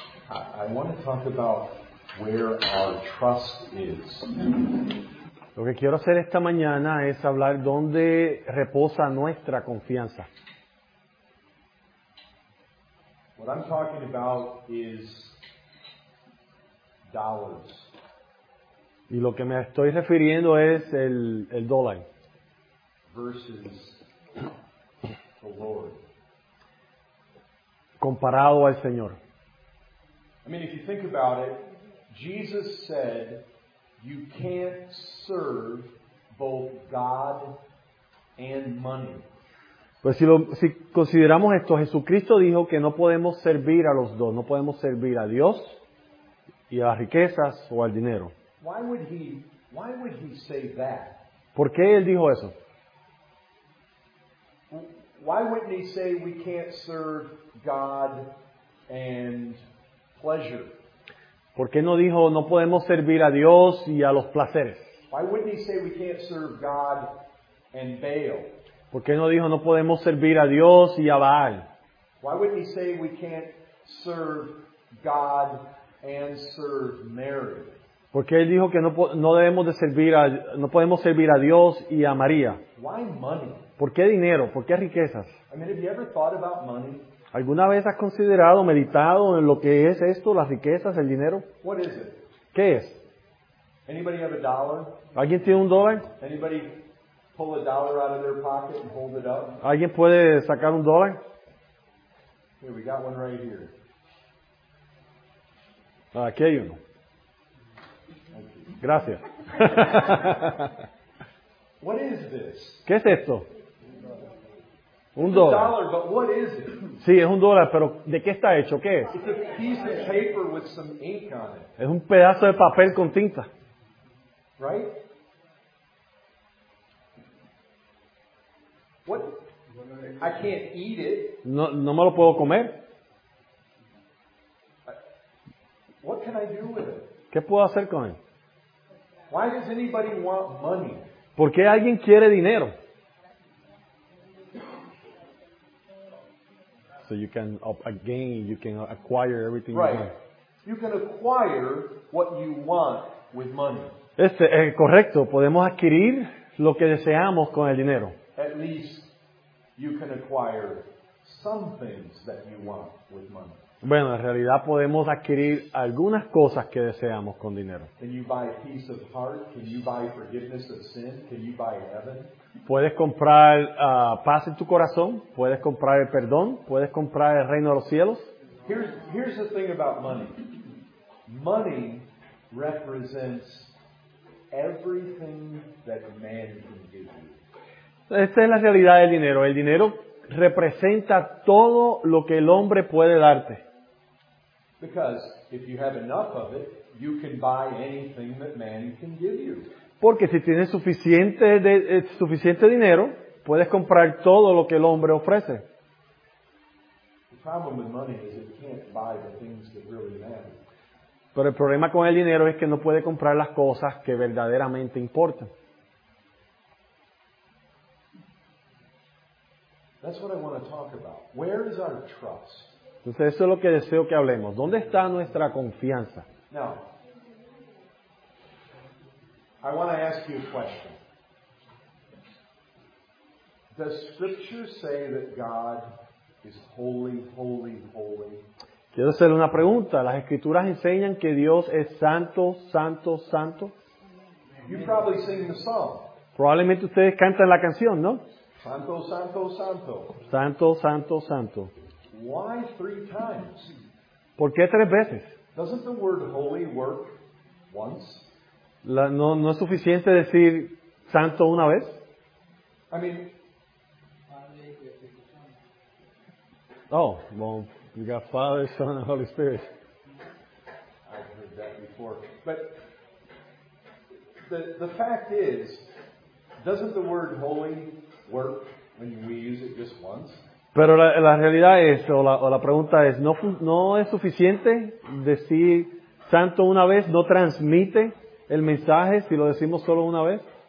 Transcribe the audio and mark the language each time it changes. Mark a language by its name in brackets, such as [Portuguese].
[English] I want to talk about where our trust is. [Spanish] Lo que quiero hacer esta mañana es hablar dónde reposa nuestra confianza. [English] What I'm talking about is dollars. [Spanish] Y lo que me estoy refiriendo es el dólar. [English] Versus the Lord. [Spanish] Comparado al Señor. [English] I mean, if you think about it, Jesus said, you can't serve both God and money. [Spanish] Pues si consideramos esto, Jesucristo dijo que no podemos servir a los dos. No podemos servir a Dios y a las riquezas o al dinero. [English] Why would he say that? [Spanish] ¿Por qué él dijo eso? [English] Why wouldn't he say we can't serve God and pleasure? [Spanish] ¿Por qué no dijo no podemos servir a Dios y a los placeres? [English] Why wouldn't he say we can't serve God and Baal? [Spanish] ¿Por qué no dijo no podemos servir a Dios y a Baal? [English] Why wouldn't he say we can't serve God and serve Mary? [Spanish] ¿Por qué él dijo que no podemos servir a Dios y a María? [English] Why money? [Spanish] ¿Por qué dinero? ¿Por qué riquezas? [English] I mean, have you ever thought about money? [Spanish] ¿Alguna vez has considerado, meditado en lo que es esto, las riquezas, el dinero? [English] What is it? [Spanish] ¿Qué es? [English] Anybody have a dollar? [Spanish] ¿Alguien tiene un dólar? [English] Anybody pull a dollar out of their pocket and hold it up? [Spanish] ¿Alguien puede sacar un dólar? [English] Here, we got one right here. [Spanish] Aquí hay uno. Gracias. [English] What is this? [Spanish] ¿Qué es esto? Un dólar. [English] Dollar, but what is it? [Spanish] Sí, es un dólar, pero ¿de qué está hecho? ¿Qué es? [English] It's a piece of paper with some ink on it. [Spanish] Es un pedazo de papel con tinta. [English] Right? What? I can't eat it. [Spanish] No me lo puedo comer. [English] What can I do with it? [Spanish] ¿Qué puedo hacer con él? [English] Why does anybody want money? [Spanish] ¿Por qué alguien quiere dinero? [English] So you can gain, you can acquire everything. Right. You want. You can acquire what you want with money. [Spanish] Correcto. Podemos adquirir lo que deseamos con el dinero. [English] At least you can acquire some things that you want with money. [Spanish] Bueno, en realidad podemos adquirir algunas cosas que deseamos con dinero. [English] Can you buy peace of heart? Can you buy forgiveness of sin? Can you buy heaven? [Spanish] Puedes comprar paz en tu corazón. Puedes comprar el perdón. Puedes comprar el reino de los cielos. [English] Here's the thing about money. Money represents everything that man can give you. [Spanish] Esta es la realidad del dinero. El dinero representa todo lo que el hombre puede darte. [English] Because if you have enough of it, you can buy anything that man can give you. [Spanish] Porque si tienes suficiente dinero, puedes comprar todo lo que el hombre ofrece. [English] The problem with money is it can't buy the things that really matter. [Spanish] Pero el problema con el dinero es que no puede comprar las cosas que verdaderamente importan. [English] That's what I want to talk about. Where is our trust? [Spanish] Entonces, eso es lo que deseo que hablemos. ¿Dónde está nuestra confianza? [English] Now, I want to ask you a question. Does Scripture say that God is holy, holy, holy? [Spanish] Quiero hacerle una pregunta. ¿Las Escrituras enseñan que Dios es santo, santo, santo? [English] You probably sing the song. [Spanish] Probablemente ustedes cantan la canción, ¿no? Santo, santo, santo. Santo, santo, santo. [English] Why three times? [Spanish] ¿Por qué tres veces? [English] Doesn't the word holy work once? [Spanish] No es suficiente decir santo una vez? [English] I mean, oh, well, you got Father, Son, and Holy Spirit. I've heard that before. But the fact is, doesn't the word holy work when we use it just once? [Spanish] Pero la realidad es, o la pregunta es, ¿no es suficiente decir santo una vez? ¿No transmite el mensaje si lo decimos solo una vez?